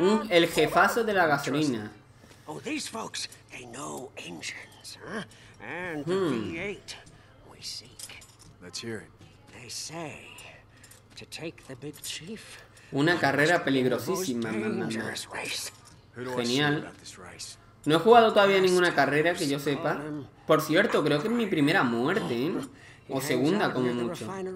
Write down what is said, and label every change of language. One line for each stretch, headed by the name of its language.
Spanish: El jefazo de la gasolina.
English: Oh, these folks, they know engines, huh? And the V8 we seek. Let's hear it. They say to take the big chief.
Spanish: Una carrera peligrosísima, mamá. Genial. No he jugado todavía ninguna carrera que yo sepa. Por cierto, creo que es mi primera muerte, ¿eh? O segunda, como mucho.